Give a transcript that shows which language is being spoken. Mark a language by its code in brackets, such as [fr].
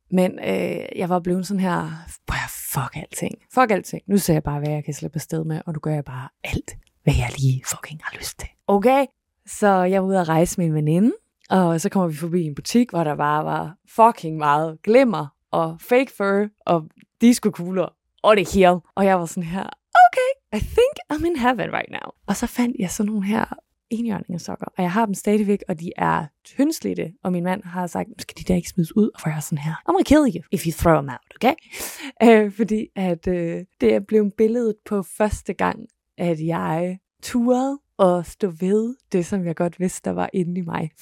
[da] Men jeg var blevet sådan her, fuck alting. Fuck alting. Nu ser jeg bare, hvad jeg kan slippe afsted med, og nu gør jeg bare alt, hvad jeg lige fucking har lyst til. Okay? Så jeg var ude at rejse med en veninde, og så kommer vi forbi en butik, hvor der bare var fucking meget glimmer, og fake fur, og discokugler, og det hele. Og jeg var sådan her, okay, [en] I think I'm in heaven right now. [da] Og så fandt jeg sådan nogle her enhjørningesokker, og jeg har dem stadigvæk, og de er tyndslidte, og min mand har sagt, skal de da ikke smides ud, og jeg er sådan her, [en] I'm gonna kill you, if you throw them out, okay? [da] Fordi at det er blevet billedet på første gang, at jeg turede at stå ved det, som jeg godt vidste, der var inde i mig.